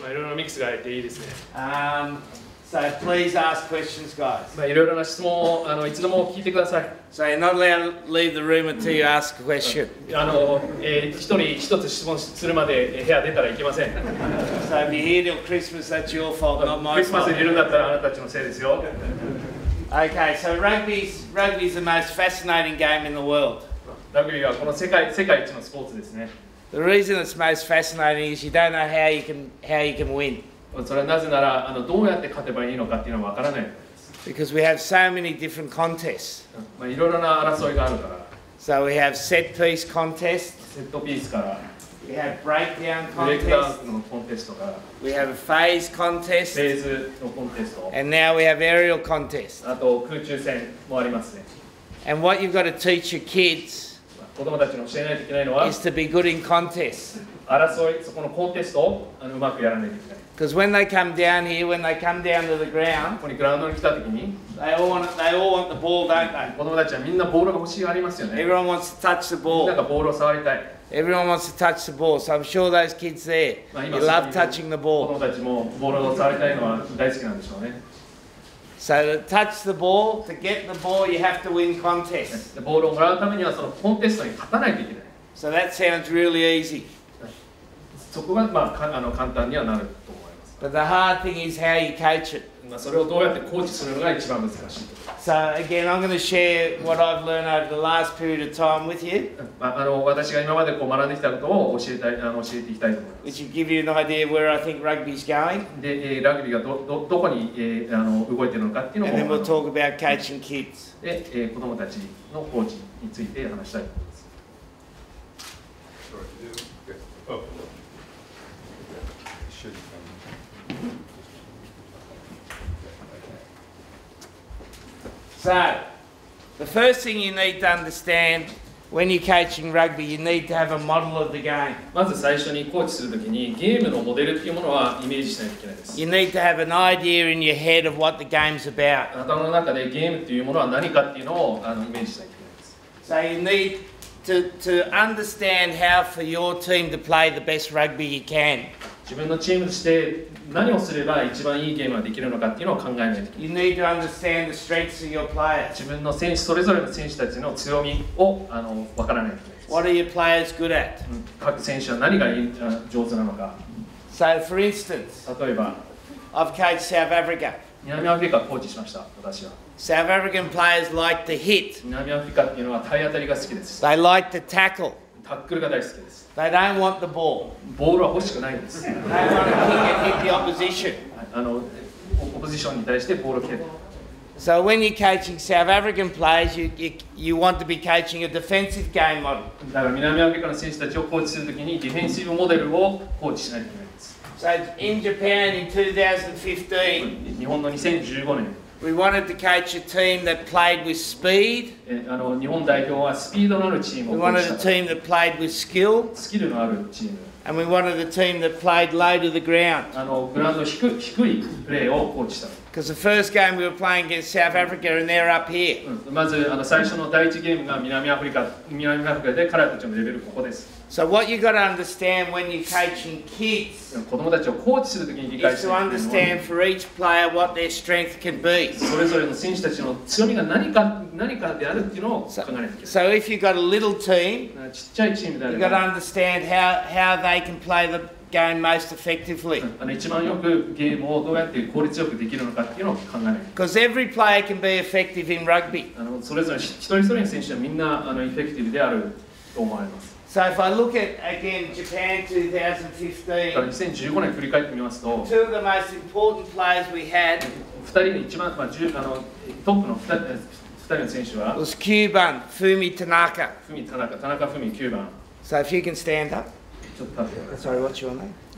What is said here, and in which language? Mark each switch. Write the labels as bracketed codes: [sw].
[ja] まあ、いろいろミックスがあっていいですね。 [en] So please ask questions, guys. [ja] まあ、いろいろな質問をいつでも聞いてください。 [en] So you're not allowed to leave the room until you ask a question. [ja] 一つ質問するまで部屋出たらいけません。 [en] So if you're here till Christmas, that's your fault, not my fault. [ja] クリスマスにいるんだったらあなたたちのせいですよ。 [en] Okay, so rugby's the most fascinating game in the world. [ja] Rugby はこの世界一のスポーツですね。 [en] The reason it's most fascinating is you don't know how you can win. [ja] それはなぜならどうやって勝てばいいのかっていうのはわからない。 [en] Because we have so many different contests. [ja] まあいろいろな争いがあるから。 [en] So we have set piece contests. [ja] セットピースから。 [en] We have breakdown contests. [ja] ブレイクダウンのコンテストから。 [en] We have a phase contest. [ja] フェーズのコンテスト。 [en] And now we have aerial contest. [ja] あと空中戦もありますね。 [en] And what you've got to teach your kids [ja] 子供たちに教えないといけないのは [en] is to be good in contest. [ja] 争い、そこのコンテストをうまくやらないといけない。 [en] Because when they come down here, when they come down to the ground, [ja] ここにグラウンドに来た時に [en] they all want the ball, don't they? [ja] 子供たちはみんなボールが欲しいありますよね。 [en] Everyone wants to touch the ball. [ja] なんかボールを触りたい。 [en] Everyone wants to touch the ball, so I'm sure those kids there, you love touching the ball. [ja] 子供たちもボールを触りたいのは大好きなんでしょうね。 [en] So to touch the ball, to get the ball, you have to win contests. [ja] ボールをもらうためにはそのコンテストに勝たないといけない。 [en] So that sounds really easy. [ja] そこが簡単にはなると思います。 [en] But the hard thing is how you coach it. [ja] それをどうやってコーチするのが一番難しい。 [en] So again, I'm going to share what I've learned over the last period of time with you. [ja] 私が今までこう学んできたことを教えていきたいと思います。 [en] Which will give you an idea where I think rugby's going. [ja] で、ラグビーがどこに動いているのかっていうのを。 [en] And then we'll talk about coaching kids. [ja] で、子供たちのコーチについて話したいと思います。 [en] So, the first thing you need to understand when you're coaching rugby, you need to have a model of the game. [ja] まず最初にコーチするときに、ゲームのモデルっていうものはイメージしないといけないです。 [en] You need to have an idea in your head of what the game's about. [ja] 頭の中でゲームっていうものは何かっていうのをイメージしないといけないです。 [en] So you need to understand how for your team to play the best rugby you can. [ja] 自分のチームとして何をすれば一番いいゲームができるのかっていうのを考えないといけない。 [en] You need to understand the strengths of your players. [ja] 自分の選手それぞれの選手たちの強みを分からないといけない。 [en] What are your players good at? [ja] 各選手は何が上手なのか。 [en] So for instance, [ja] 例えば、 [en] I've coached South Africa. [ja] 南アフリカをコーチしました、私は。 [en] South African players like to hit. [ja] 南アフリカっていうのは体当たりが好きです。 [en] They like to tackle. [ja] タックルが大好きです。 [en] They don't want the ball. [ja] ボールは欲しくないんです。 [en] They want to hit the opposition. [ja] オポジションに対してボールを蹴る。 [en] So when you're coaching South African players, you want to be coaching a defensive game model. [ja] だから南アフリカの選手たちをコーチするときにディフェンシブモデルをコーチしないといけないんです。 [en] So in Japan in 2015, [ja] 日本の2015年 [en] we wanted to coach a team that played with speed. [ja] 日本代表はスピードのあるチームをコーチした。 [en] We wanted a team that played with skill. [ja] スキルのあるチーム。 [en] And we wanted a team that played low to the ground. [ja] グラウンド低いプレーをコーチした。 [en] Because the first game we were playing against South Africa and they're up here. [ja] まず最初の第一ゲームが南アフリカで彼らたちのレベルここです。 [en] So what you got to understand when you're coaching kids [ja] 子供たちをコーチするときに理解して [en] is to understand for each player what their strength can be. [ja] それぞれの選手たちの強みが何かであるっていうのを考えなきゃいけない。 [en] So if you've got a little team [ja] ちっちゃいチームであれば [en] you've got to understand how they can play the game most effectively. [ja] 一番よくゲームをどうやって効率よくできるのかっていうのを考えなきゃいけない。 [en] Because every player can be effective in rugby. [ja] それぞれ一人一人の選手はみんなエフェクティブであると思います。 [en] So if I look at again Japan 2015, [ja] 2015年振り返ってみますと、 [en] two of the most important players we had, [ja] 二人の一番トップの二人の選手は、 [en] was Cuban Fumi Tanaka. Fumi Tanaka, Tanaka Fumi, Cuban. So if you can stand up, sorry, what's your name?